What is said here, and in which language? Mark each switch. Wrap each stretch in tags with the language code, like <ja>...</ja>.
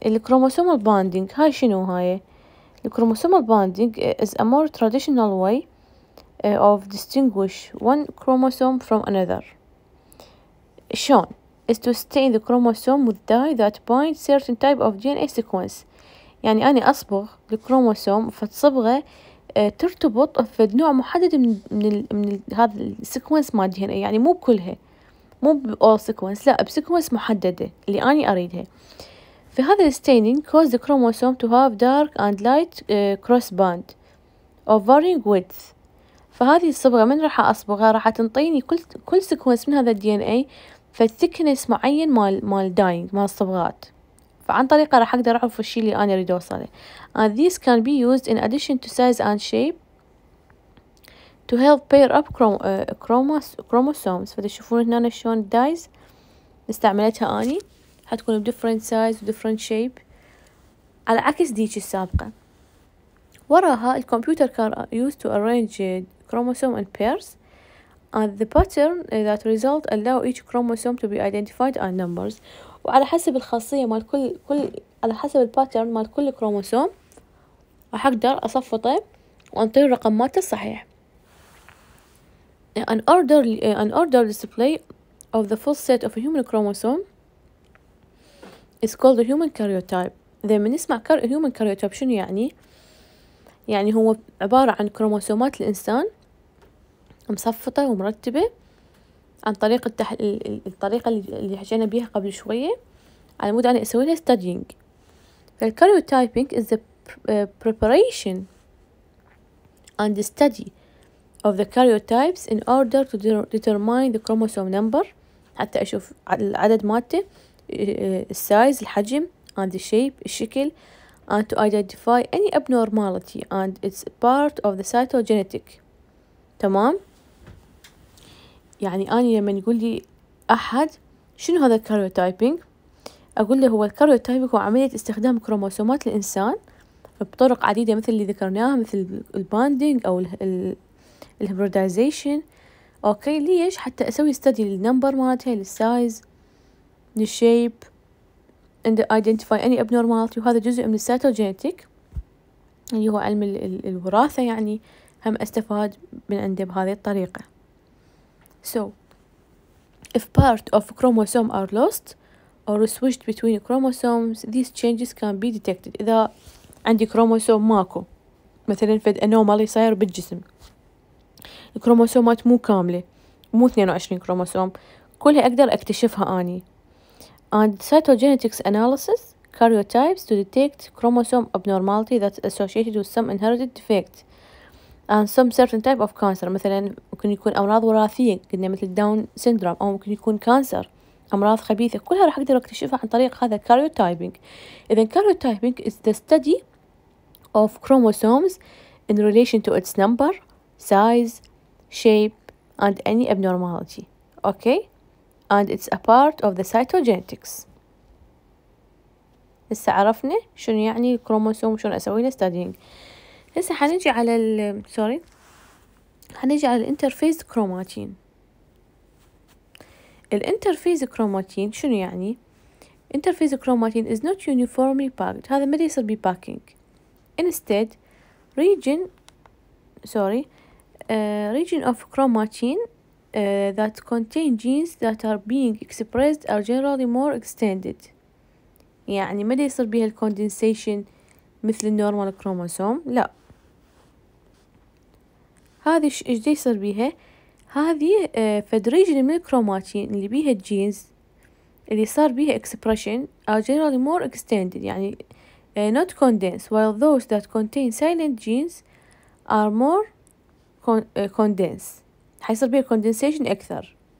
<ar>الكروموسومال باندينج هاي شنو؟ هاي الكروموسومال باندينج</ar> <en>is a more traditional way of distinguish one chromosome from another.</en> <ar>شلون؟</ar> <en>is to stain the chromosome with dye that bind certain type of DNA sequence.</en> <ar>يعني أنا أصبغ الكروموسوم فتصبغه ترتبط في نوع محدد من هذا السيكونس مال DNA، يعني مو بكلها، مو ب</ar> <en>all sequence،</en> <ar>لا بسيكونس محددة اللي أنا أريدها. في هذا الستينينج</ar> <en>cause the chromosome to have dark and light cross band of varying width.</en> <ar>فهذه الصبغة من راح أصبغها راح تنطيني كل سيكونس من هذا DNA فالثيكنس معين مال داينج مال الصبغات، فعن طريقه راح اقدر اعرف الشيء اللي انا اريد اوصله.</ar> <en>And this can be used in addition to size and shape to help pair up chromosomes.</en> <ar>فتشوفون هنا شلون الدايز استعملتها اني حتكون</ar> <en>بديفرنت سايز وديفرنت شيب</en> <ar>على عكس ديتش السابقه.</ar> <en>وراها الكمبيوتر كان use to arrange chromosome in pairs. And the pattern that result allow each chromosome to be identified and numbers.</en> <ar>وعلى حسب الخاصية مال كل على حسب الباترن مال كل كروموسوم راح أقدر أصفطه وأنطي الرقم مالته الصحيح.</ar> <en>An order display of the full set of a human chromosome is called a human karyotype.</en> <ar>إذا بنسمع human karyotype شنو يعني؟ يعني هو عبارة عن كروموسومات الإنسان مصفطة ومرتبة عن طريق الطريقة اللي حكينا بيها قبل شوية على مود أنا أسوي لها studying.</ar> <en>فالكاريوتايبينج is the preparation and the study of the karyotypes in order to determine the chromosome number،</en> <ar>حتى أشوف العدد مالته</ar> <en>السايز الحجم and the shape الشكل and to identify any abnormality and it's part of the cytogenetic.</en> <ar>تمام؟ يعني أنا لما يقول لي أحد شنو هذا الكاريوتايبينج؟ أقول له هو الكاريوتايبينج هو عملية استخدام كروموسومات الإنسان بطرق عديدة مثل اللي ذكرناها مثل الباندينج أو الهبريدايزيشن. أوكي ليش؟ حتى أسوي استدي للنمبر مالتها للسايز للشيب</ar> <en>and identify any abnormality</en> <ar>وهذا جزء من السيتوجينيتيك اللي هو علم الوراثة يعني هم أستفاد من عنده بهذه الطريقة.</ar> <en>So if part of chromosome are lost or switched between chromosomes these changes can be detected.</en> <ar>إذا عندي كروموسوم ماكو مثلا فد anomaly صاير بالجسم الكروموسومات مو كاملة مو 22 كروموسوم كلها أقدر أكتشفها آني.</ar> <en>And cytogenetics analysis karyotypes to detect chromosome abnormality that's associated with some inherited defect and some certain type of cancer.</en> <ar>مثلا ممكن يكون أمراض وراثية قلنا مثل داون سيندروم أو ممكن يكون كانسر أمراض خبيثة كلها راح أقدر أكتشفها عن طريق هذا karyotyping.</ar> <en>إذا karyotyping is the study of chromosomes in relation to its number, size, shape and any abnormality. Okay. And it's a part of the cytogenetics.</en> <ar>هسه عرفنا شنو يعني الكروموسوم وشنو أسوي له studying. هسه حنجي على ال sorry حنجي على الانترفيز كروماتين.</ar> <en>الانترفيز كروماتين</en> <ar>شنو يعني؟</ar> <en>Interphase chromatin is not uniformly packed.</en> <ar>هذا ما يصير بي packing.</ar> <en>Instead, region of chromatin that contain genes that are being expressed are generally more extended.</en> <ar>يعني ما يصير بها الكوندنسيشن مثل النورمال كروموسوم لا هذه ايش يصير بها هذه فدريجن من الكروماتين اللي بيها الجينز اللي صار بيها اكسبريشن</ar> <en>are generally more extended</en> <ar>يعني</ar> <en>not condensed while those that contain silent genes are more condensed</en> <ar>حيصير بيه كوندنسيشن أكثر</ar>